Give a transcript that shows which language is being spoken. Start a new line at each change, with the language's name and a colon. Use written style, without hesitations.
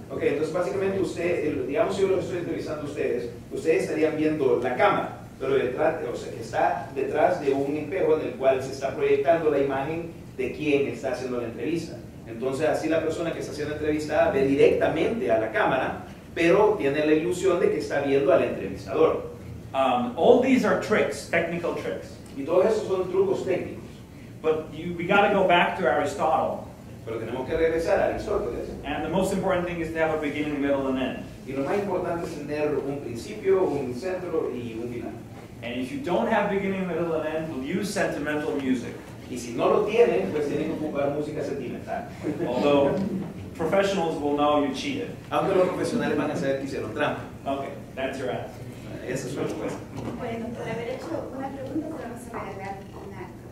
Spanish: Ok, entonces básicamente usted, digamos, si yo lo estoy entrevistando a ustedes, ustedes estarían viendo la cámara, pero detrás, o sea, que está detrás de un espejo en el cual se está proyectando la imagen de quien está haciendo la entrevista. Entonces así la persona que está siendo entrevistada ve directamente a la cámara, pero tiene la ilusión de que está viendo al entrevistador.
English: All these are tricks, technical tricks.
Spanish: Y todos esos son trucos técnicos.
English: But we got to go back to Aristotle.
Spanish: Pero tenemos que regresar a Aristóteles.
English: And the most important thing is to have a beginning, middle, and end.
Spanish: Y lo más importante es tener un principio, un centro y un final.
English: And if you don't have beginning, middle, and end, we'll use sentimental music.
Spanish: Y si no lo tienen, pues tienen que ocupar música sentimental.
English: Although professionals will know you cheated.
Spanish: Aunque los profesionales van a saber que hicieron trampa.
English: Okay, that's your answer.
Spanish: Esa es su respuesta. Bueno, por haber hecho una pregunta, pero no se me agarra una